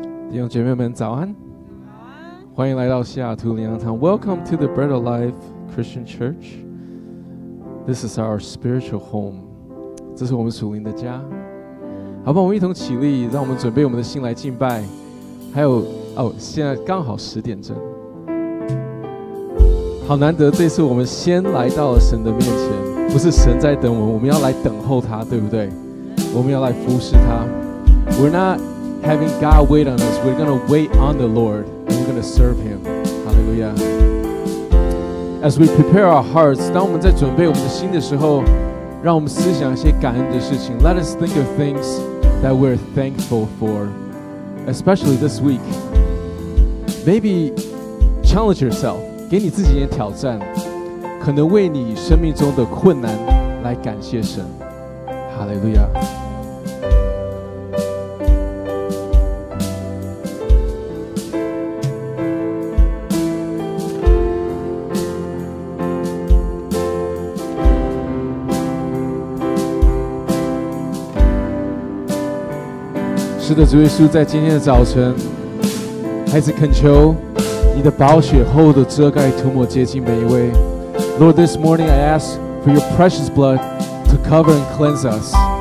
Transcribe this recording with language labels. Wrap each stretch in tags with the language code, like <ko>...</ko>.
<zh>弟兄姐妹们早安，欢迎来到西雅图灵粮堂。</zh> <en>Welcome to the Bread of Life Christian Church. This is our spiritual home.</en> <zh>这是我们属灵的家。好吧，我们一同起立，让我们准备我们的心来敬拜。还有哦，现在刚好十点钟，好难得，这次我们先来到了神的面前，不是神在等我们，我们要来等候他，对不对？我们要来服侍他。</zh> <en>We're not having God wait on us. We're gonna wait on the Lord. We're gonna serve Him. Hallelujah. As we prepare our hearts,</en> <zh>当我们在准备我们的心的时候，让我们思想一些感恩的事情。</zh> <en>Let us think of things that we're thankful for, especially this week. Maybe challenge yourself.</en> <zh>给你自己一点挑战，可能为你生命中的困难来感谢神。</zh> <en>Hallelujah.</en> <zh>是的，主耶稣，在今天的早晨，孩子恳求你的宝血厚的遮盖涂抹洁净每一位。</zh> <en>Lord, this morning I ask for your precious blood to cover and cleanse us.</en>